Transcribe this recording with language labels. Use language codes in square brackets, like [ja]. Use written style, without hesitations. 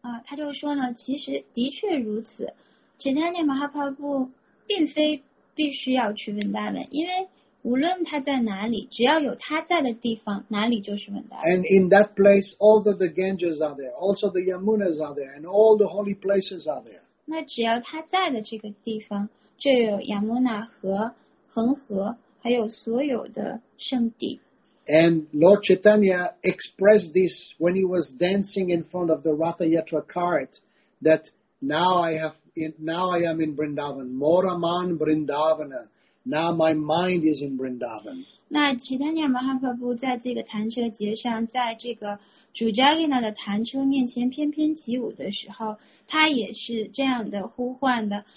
[zh] 他就说呢，其实的确如此， Chaitanya Mahaprabhu并非必须要去 Vrindavan, 因为无论他在哪里，只要有他在的地方，哪里就是 Vrindavan. [en] And in that place, all the Ganges are there, also the Yamunas are there, and all the holy places are there. [zh] 那只要他在的这个地方，就有亚摩拿河、恒河，还有所有的圣地。 [en] And Lord Chaitanya expressed this when he was dancing in front of the Ratha Yatra cart, that now I am in Vrindavan. Moraman Vrindavana. Now my mind is in Vrindavan. [zh] 那 Chaitanya Mahaprabhu 在这个弹车节上，在这个 Jujagina 的弹车面前翩翩起舞的时候，他也是这样的呼唤的。